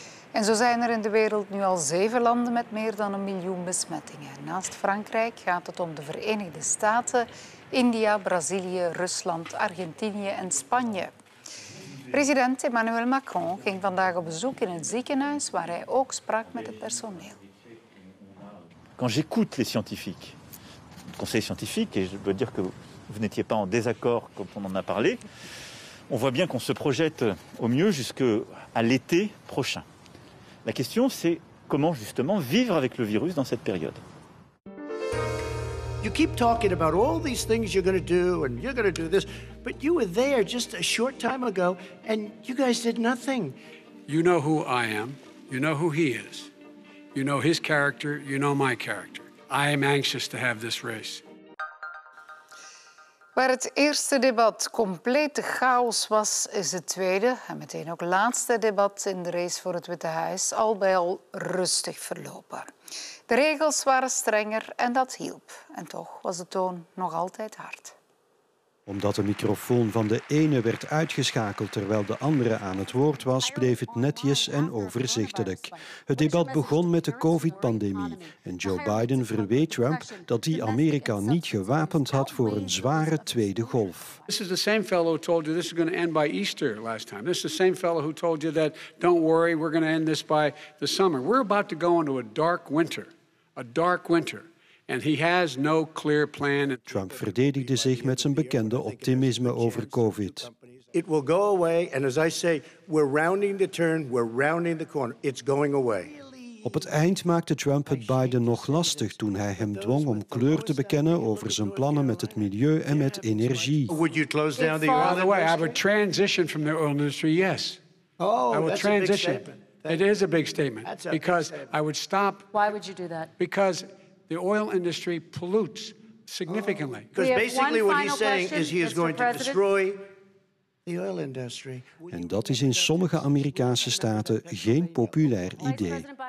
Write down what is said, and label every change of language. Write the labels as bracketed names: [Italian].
[Dutch] En zo zijn er in de wereld nu al 7 landen met meer dan 1 miljoen besmettingen. Naast Frankrijk gaat het om de Verenigde Staten, India, Brazilië, Rusland, Argentinië en Spanje. President Emmanuel Macron ging vandaag op bezoek in het ziekenhuis waar hij ook sprak met het personeel. [French] Quand j'écoute les scientifiques, le conseil scientifique, et je dois dire que vous n'étiez pas en désaccord quand on en a parlé, on voit bien qu'on se projette au mieux jusqu'à l'été prochain. La question, c'est comment justement vivre avec le virus dans cette période. [English] You keep talking about all these things you're going to do and you're going to do this, but you were there just a short time ago and you guys did nothing. You know who I am. You know who he is. You know his character. You know my character. I am anxious to have this race. [Dutch] Waar het eerste debat complete chaos was, is het tweede en meteen ook laatste debat in de race voor het Witte Huis al bij al rustig verlopen. De regels waren strenger en dat hielp. En toch was de toon nog altijd hard. Omdat de microfoon van de ene werd uitgeschakeld terwijl de andere aan het woord was, bleef het netjes en overzichtelijk. Het debat begon met de COVID-pandemie. En Joe Biden verweet Trump dat hij Amerika niet gewapend had voor een zware tweede golf. [English] This is the same fellow who told you this is going to end by Easter last time. This is the same fellow who told you that don't worry, we're going to end this by the summer. We're about to go into a dark winter. A dark winter. And he has no clear plan. [Dutch] Trump verdedigde zich met zijn bekende optimisme over COVID. [English] It will go away, and as I say, we're rounding the turn, we're rounding the corner. It's going away. [Dutch] Op het eind maakte Trump het Biden nog lastig toen hij hem dwong om kleur te bekennen over zijn plannen met het milieu en met energie. [English] Would you close down the oil industry? I would transition from the oil industry. Yes. Oh, I would transition. It is a big statement. Because I would stop. Why would you do that? Because the oil industry pollutes significantly. Because basically what he's saying is he is going to destroy the oil industry. [Dutch] En dat is in sommige Amerikaanse staten geen populair idee.